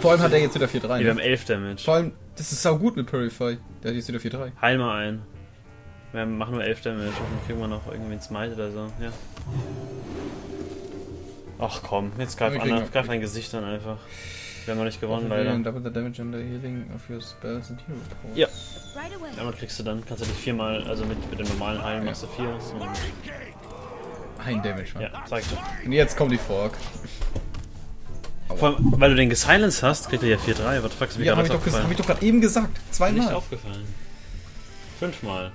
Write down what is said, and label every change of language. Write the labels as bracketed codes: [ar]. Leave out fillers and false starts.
[de] Vor allem hat er jetzt wieder 4-3. Wir haben 11 Damage. Vor allem. Das ist saugut mit Purify. Der hat jetzt wieder 4-3. Heil mal ein. Wir machen nur 11 Damage. Dann kriegen wir noch irgendwie einen Smite oder so. Ja. Ach komm, jetzt greif dein Gesicht an einfach. Wir haben noch nicht gewonnen, leider. [en] Double the damage and the healing of your spells and heal power. [de] Ja. Damit kriegst du dann, kannst du dich 4-mal, also mit dem normalen Heilen machst du 4. So. Ein Damage, man. Ja, zeig dir. Und jetzt kommt die Fork. Vor allem, weil du den gesilenced hast, kriegt er ja 4-3. Was fuckst du wieder? Hab ich doch gerade eben gesagt. Zweimal. Nicht aufgefallen. Fünfmal.